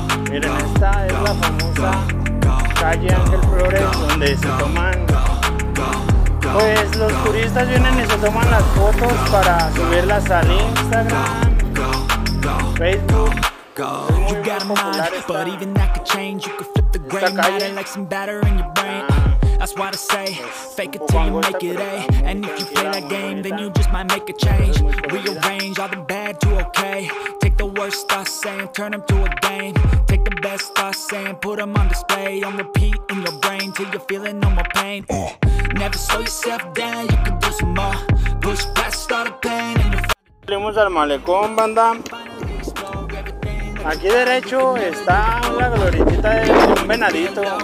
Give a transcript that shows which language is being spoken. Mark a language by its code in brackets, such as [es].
[es] Miren, esta es la famosa calle Ángel Flores, donde se toman. Pues los turistas vienen y se toman las fotos para subirlas al Instagram, Facebook. [en] You got a mind, but even that could change. You could flip the gray matter like some batter in your brain. That's why I say, fake it till you make it, eh? And if you play that game, then you just might make a change. Rearrange all the bad to okay. Take the worst thoughts, saying, turn them to a game. Take the best thoughts, saying, put them on display. On repeat in your brain till you're feeling no more pain. Never slow yourself down, you can do some more. Push past all the pain and you'll find [es] al malecón, banda. Aquí derecho está la glorietita de un venadito.